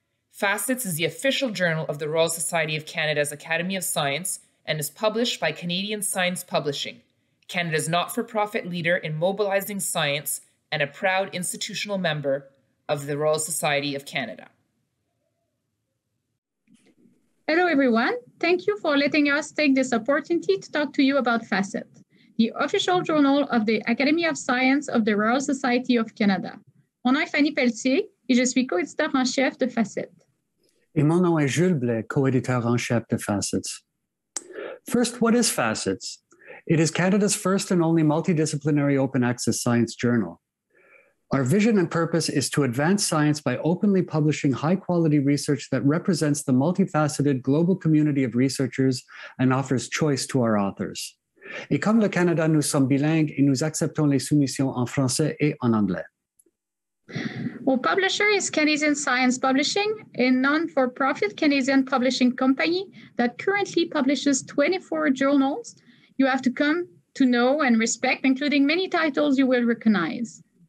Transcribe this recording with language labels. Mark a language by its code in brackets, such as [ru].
[en] FACETS is the official journal of the Royal Society of Canada's Academy of Science and is published by Canadian Science Publishing, Canada's not-for-profit leader in mobilizing science and a proud institutional member of the Royal Society of Canada. Hello, everyone. Thank you for letting us take this opportunity to talk to you about FACETS, the official journal of the Academy of Science of the Royal Society of Canada. [fr] Mon nom est Fanny Pelletier et je suis co-éditeur en chef de FACETS. Et mon nom est Jules Blais, co-éditeur en chef de FACETS. [en] First, what is FACETS? It is Canada's first and only multidisciplinary open access science journal. Our vision and purpose is to advance science by openly publishing high-quality research that represents the multifaceted global community of researchers and offers choice to our authors. [fr] Et comme le Canada, nous sommes bilingues et nous acceptons les soumissions en français et en anglais. [en] Our publisher is Canadian Science Publishing, a non-for-profit Canadian publishing company that currently publishes 24 journals you have to come to know and respect, including many titles you will recognize.